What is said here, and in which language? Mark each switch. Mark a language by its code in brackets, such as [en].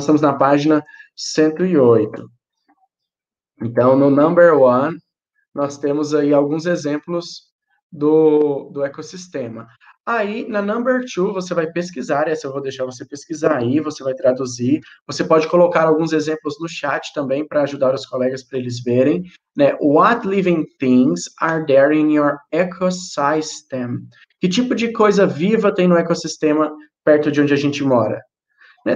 [pt] Nós estamos na página 108. Então, no number one, nós temos aí alguns exemplos do ecossistema. Aí, na number two, você vai pesquisar, essa eu vou deixar você pesquisar aí, você vai traduzir, você pode colocar alguns exemplos no chat também para ajudar os colegas para eles verem, né? [en] What living things are there in your ecosystem? [pt] Que tipo de coisa viva tem no ecossistema perto de onde a gente mora? Né?